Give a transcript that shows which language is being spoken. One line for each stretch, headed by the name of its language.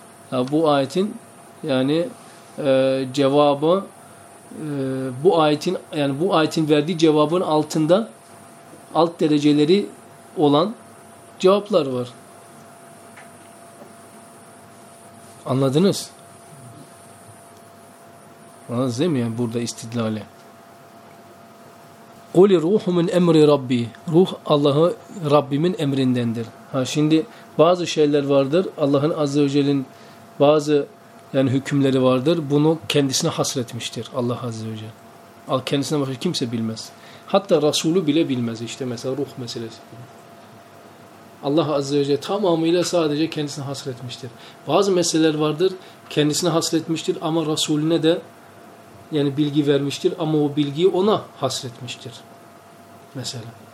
Turkish: Ha bu ayetin yani cevabı bu ayetin yani bu ayetin verdiği cevabın altında alt dereceleri olan cevaplar var. Anladınız? Anladınız değil mi yani burada istidlali?
Arabic: قُلِ رُوحُ مِنْ اَمْرِ رَبِّي
Turkish: Ruh Allah'ı Rabbimin emrindendir. Ha şimdi bazı şeyler vardır. Allah'ın Azze ve Celle'nin bazı yani hükümleri vardır. Bunu kendisine hasretmiştir Allah Azze ve Celle. Kendisine başka kimse bilmez. Hatta Resulü bile bilmez işte mesela ruh meselesi. Allah Azze ve Celle tamamıyla sadece kendisine hasretmiştir. Bazı meseleler vardır, kendisine hasretmiştir ama Resulüne de yani bilgi vermiştir ama o bilgiyi ona hasretmiştir. Mesela.